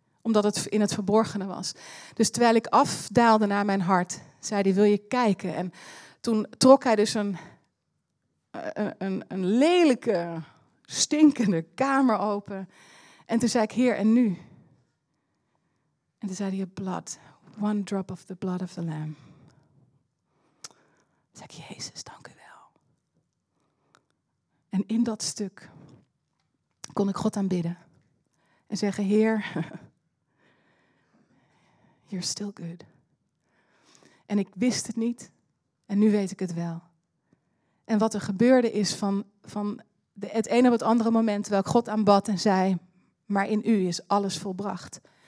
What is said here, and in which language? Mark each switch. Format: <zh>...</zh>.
<nl>Omdat het in het verborgene was. Dus terwijl ik afdaalde naar mijn hart, zei hij, wil je kijken? En toen trok hij dus een lelijke, stinkende kamer open. En toen zei ik, Heer, en nu? En toen zei hij, blood.</nl> <en>One drop of the blood of the lamb.</en> <nl>Toen zei ik, Jezus, dank u wel. En in dat stuk kon ik God aanbidden. En zeggen, Heer,</nl> <en>you're still good.</en> <nl>En ik wist het niet. En nu weet ik het wel. En wat er gebeurde is van het ene op het andere moment, terwijl ik God aanbad en zei, maar in u is alles volbracht.</nl>